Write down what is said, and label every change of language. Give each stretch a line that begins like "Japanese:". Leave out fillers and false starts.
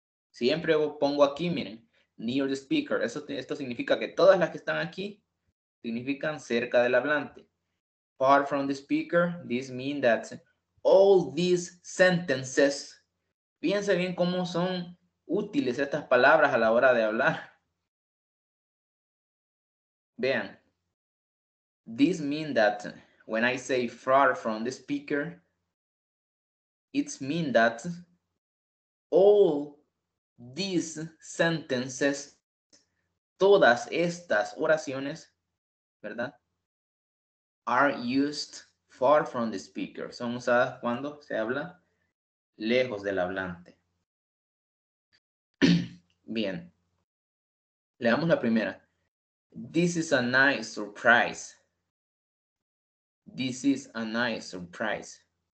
Spanish: Siempre pongo aquí, miren,
English: near the speaker.
Spanish: Esto significa que todas las que están aquí significan cerca del hablante.
English: Far from the speaker, this means that all these sentences.
Spanish: Piense bien cómo son útiles estas palabras a la hora de hablar.
English: Vean. This means that when I say far from the speaker, it means that all these sentences,
Spanish: todas estas oraciones, ¿verdad?
English: Are used far from the speaker.
Spanish: Son usadas cuando se habla lejos del hablante. Bien. Leamos la primera.
English: This is a nice surprise. This is a nice surprise.